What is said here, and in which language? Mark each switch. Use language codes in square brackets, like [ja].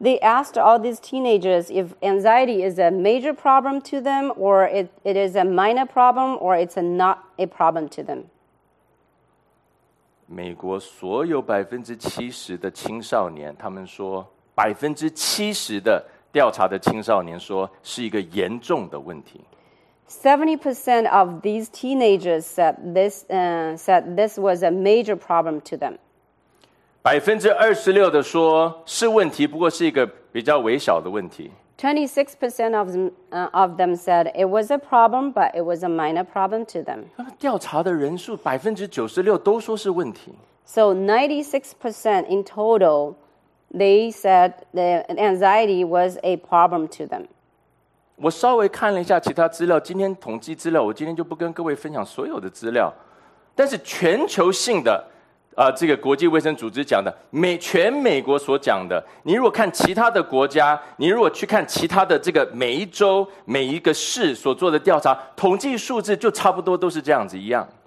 [en] They asked all these teenagers if anxiety is a major problem to them, or it is a minor problem, or it's not a problem to them. [zh] 美国所有70%的青少年，他们说70%的调查的青少年说是一个严重的问题。 [en] 70% of these teenagers said this was a major problem to them. [zh] 26% 的说是问题，不过是一个比较微小的问题。 [en] 26% of them said it was a problem, but it was a minor problem to them. [zh] 调查的人数96%都说是问题。 [en] So 96% in total, they said the anxiety was a problem to them. [zh] 我稍微看了一下其他资料，今天统计资料，我今天就不跟各位分享所有的资料，但是全球性的。这个国际卫生组织讲的，全美国所讲的，你如果看其他的国家，你如果去看其他的这个每一州每一个市所做的调查统计数字，就差不多都是这样子一样。